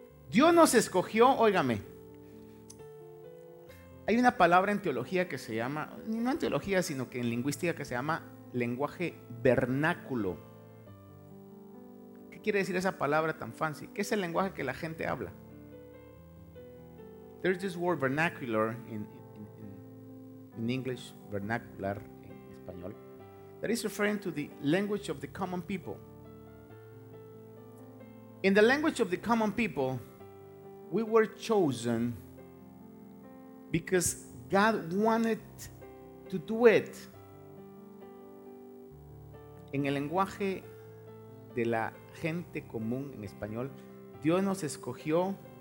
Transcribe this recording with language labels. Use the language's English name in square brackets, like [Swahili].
[Spanish] Dios nos escogió, óigame. Hay una palabra en teología que se llama, no en teología, sino que en lingüística, que se llama lenguaje vernáculo. ¿Qué quiere decir esa palabra tan fancy? ¿Qué es el lenguaje que la gente habla? [English] There's this word vernacular in English, vernacular [Spanish] en español, [English] that is referring to the language of the common people. In the language of the common people, we were chosen because God wanted to do it. [Spanish] En el lenguaje de la gente común en español, Dios nos escogió.